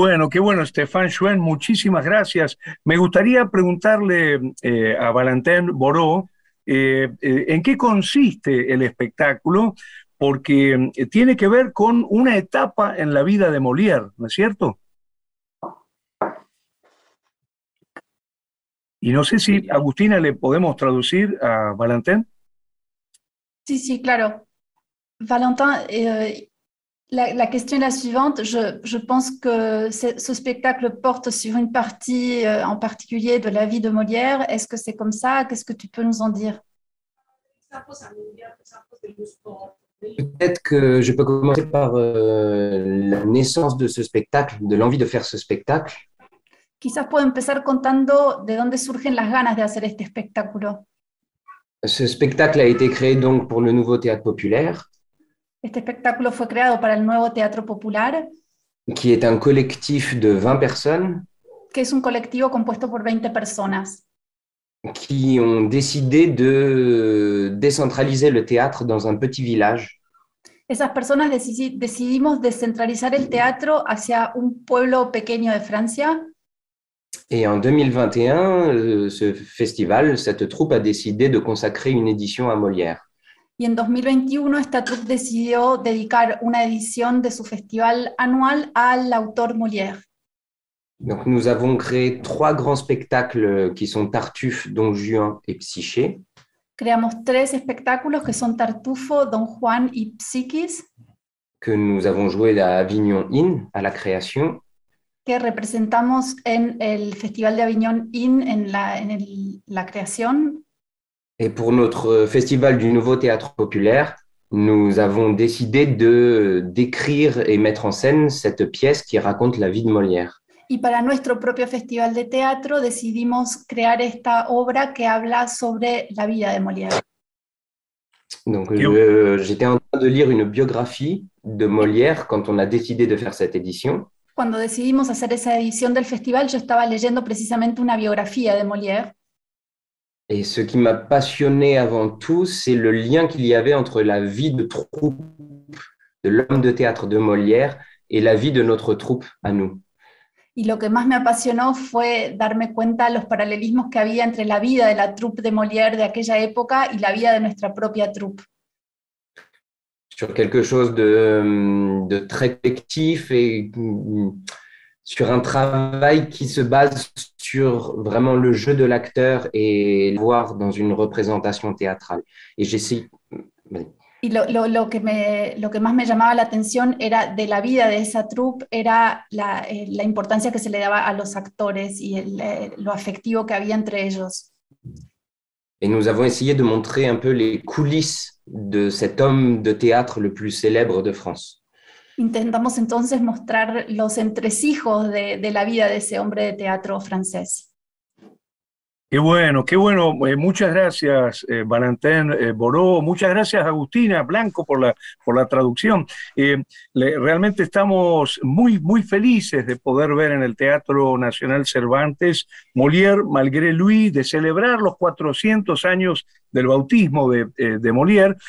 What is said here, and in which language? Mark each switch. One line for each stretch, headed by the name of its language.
Spanish: Qué bueno, Stéphane Chouin, muchísimas gracias. Me gustaría preguntarle a Valentin Boró en qué consiste el espectáculo, porque tiene que ver con una etapa en la vida de Molière, ¿no es cierto? Y no sé si Agustina le podemos traducir a Valentin. Sí, claro. Valentin,
French: La question est la suivante. Je pense que ce spectacle porte sur une partie en particulier de la vie de Molière. Est-ce que c'est comme ça? Qu'est-ce que tu peux nous en dire? Peut-être que je peux commencer par la naissance de ce spectacle, de l'envie de faire ce spectacle.
Spanish: Quizás puedo empezar contando de dónde surgen las ganas de hacer este espectáculo.
French: Ce spectacle a été créé donc pour le Nouveau Théâtre Populaire.
Spanish: Este espectáculo fue creado para el Nuevo Teatro Popular,
French: qui est un collectif de 20 personnes.
Spanish: Que es un colectivo compuesto por 20 personas.
French: Qui ont décidé de décentraliser le théâtre dans un petit village.
Spanish: Esas personas decidimos descentralizar el teatro hacia un pueblo pequeño de Francia.
French: Et en 2021, ce festival, cette troupe a décidé de consacrer une édition à Molière.
Spanish: Y en 2021, esta troupe decidió dedicar una edición de su festival anual al autor Molière.
French: Donc nous avons créé trois grands spectacles qui sont Tartuffe, Don Juan et Psyché.
Spanish: Creamos tres espectáculos que son Tartufo, Don Juan y Psiquis.
French: Que nous avons joué à Avignon Inn, à la création.
Spanish: Que representamos en el Festival de Avignon Inn, en la creación.
French: Et pour notre festival du Nouveau Théâtre Populaire, nous avons décidé d'écrire et mettre en scène cette pièce qui raconte la vie de Molière.
Spanish: Y para nuestro propio festival de teatro decidimos crear esta obra que habla sobre la vida de Molière.
French: Donc j'étais en train de lire une biographie de Molière quand on a décidé de faire cette édition.
Spanish: Cuando decidimos hacer esa edición del festival, yo estaba leyendo precisamente una biografía de Molière.
French: Et ce qui m'a passionné avant tout, c'est le lien qu'il y avait entre la vie de troupe de l'homme de théâtre de Molière et la vie de notre troupe à nous.
Spanish: Y lo que más me apasionó fue darme cuenta de los paralelismos que había entre la vida de la troupe de Molière de aquella época y la vida de nuestra propia troupe.
French: Sur quelque chose de très collectif et sur un travail qui se base sur vraiment le jeu de l'acteur et voir dans une représentation théâtrale. Et j'essaie.
Spanish: Y lo que más me llamaba la atención era de la vida de esa troupe, era la importancia que se le daba a los actores y lo afectivo que había entre ellos.
French: Et nous avons essayé de montrer un peu les coulisses de cet homme de théâtre le plus célèbre de France.
Spanish: Intentamos entonces mostrar los entresijos de la vida de ese hombre de teatro francés. Qué bueno, qué bueno. Muchas gracias, Valentin Boró. Muchas gracias, Agustina Blanco, por la traducción. Realmente estamos muy, muy felices de poder ver en el Teatro Nacional Cervantes Molière, Malgré Lui, de celebrar los 400 años del bautismo de Molière.